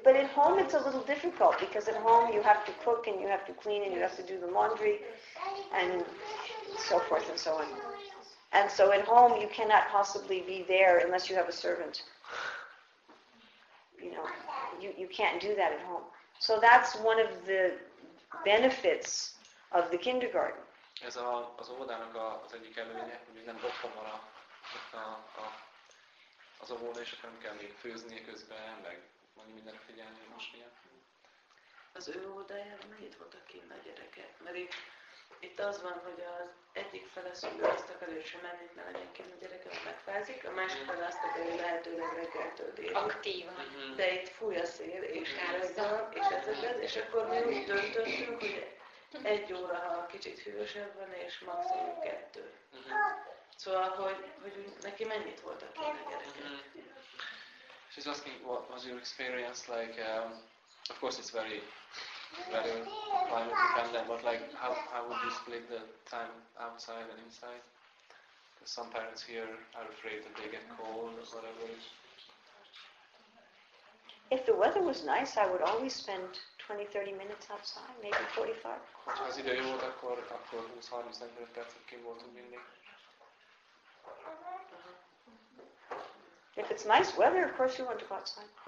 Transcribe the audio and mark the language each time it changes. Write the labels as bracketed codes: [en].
[en] But at home it's a little difficult because at home you have to cook and you have to clean and you have to do the laundry and so forth and so on. And so at home you cannot possibly be there unless you have a servant. You know, you can't do that at home. So that's one of the benefits of the kindergarten. [hu] ez a, az óvodának az egyik előnye, hogy nem otthon van az óvoda, és akkor nem kell még főzni közben, meg annyi mindenre figyelni, hogy most milyen. Az ő óvodájára mennyit voltak kint a gyerekek? Mert itt az van, hogy az egyik fele szülő azt akarja, hogy sem mennyit ne legyen kint a gyerekek, megfázik, a másik fele azt akarja, hogy lehetőleg reggeltől délig. Aktívan. De itt fúj a szél, és áradban, és ezeket, és akkor mi úgy döntöttünk, hogy egy óra, ha kicsit hűvösebb van, és maximum kettő. Szóval, hogy neki mennyit voltak kint a gyerekek? [en] She's asking, what was your experience like? Of course, it's very, very climate dependent. But like, how would you split the time outside and inside? Because some parents here are afraid that they get cold or whatever. If the weather was nice, I would always spend 20-30 minutes outside, maybe 45. [hu] Az ide jó volt, akkor 20-30 percet kint voltunk mindig. [en] If it's nice weather, of course you want to go outside.